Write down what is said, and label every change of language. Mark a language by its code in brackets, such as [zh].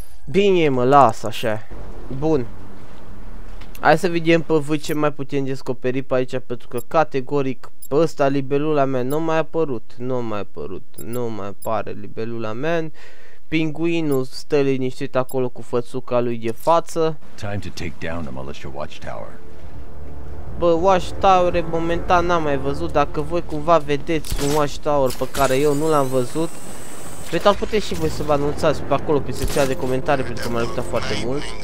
[ro] Bine, mă, las așa. Bun. Hai să vedem pe voi ce mai putem descoperi pe aici, pentru că categoric pe ăsta Libelula Man nu mai apărut. Nu mai apare Libelula Man. Pinguinul stă liniștit acolo cu fățuca lui de față. [en] Time to take down the militia watchtower. [ro] Bă, watchtower momentan n-am mai văzut. Dacă voi cumva vedeți un watchtower pe care eu nu l-am văzut, pe tal puteți și voi să vă anunțați pe acolo pe secția de comentarii, pentru că m-a luptat foarte mult.